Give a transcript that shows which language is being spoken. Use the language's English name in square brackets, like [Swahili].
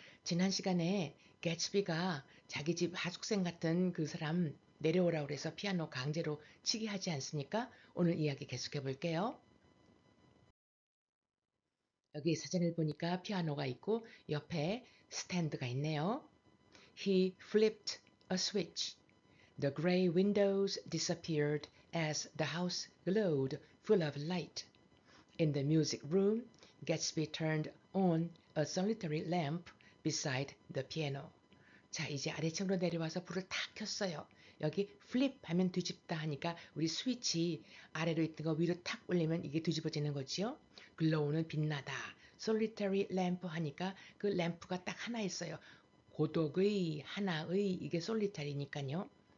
[Korean] 지난 시간에 Gatsby가 자기 집 하숙생 같은 그 사람 내려오라고 해서 피아노 강제로 치게 하지 않습니까? 오늘 이야기 계속해 볼게요. 여기 사진을 보니까 피아노가 있고 옆에 스탠드가 있네요. [English] He flipped a switch. The gray windows disappeared as the house glowed full of light. In the music room, Gatsby turned on a solitary lamp beside the piano. [Korean] 자, 이제 아래층으로 내려와서 불을 탁 켰어요. 여기 flip 하면 뒤집다 하니까 우리 스위치 아래로 있던 거 위로 탁 올리면 이게 뒤집어지는 거지요. Glow는 빛나다. Solitary lamp 하니까 그 램프가 딱 하나 있어요. 고독의 하나의 이게 솔리터리니까요.